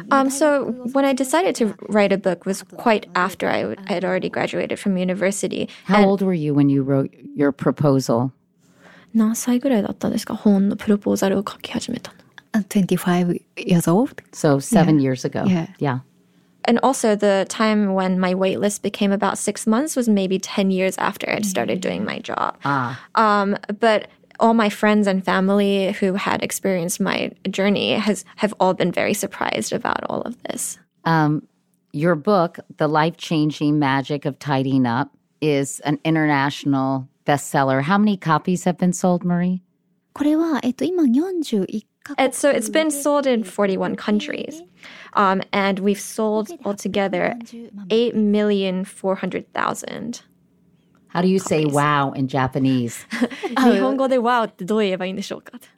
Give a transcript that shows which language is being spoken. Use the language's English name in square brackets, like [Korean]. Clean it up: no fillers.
[English] So when I decided to write a book was quite after I had already graduated from university. How old were you when you wrote your proposal? [Japanese] 何歳ぐらいだったんですか?本のプロポーザルを書き始めたの。 [English] 25 years old. So 7 yeah. years ago. Yeah. Yeah. And also the time when my wait list became about 6 months was maybe 10 years after I'd started doing my job. Ah. But all my friends and family who had experienced my journey have all been very surprised about all of this. Your book, The Life-Changing Magic of Tidying Up, is an international bestseller. How many copies have been sold, Marie? [Japanese] これは、今41カ国。 [English] So it's been sold in 41 countries. And we've sold altogether 8,400,000. How do you say wow in Japanese? [Japanese] 日本語でわおってどう言えばいいんでしょうか?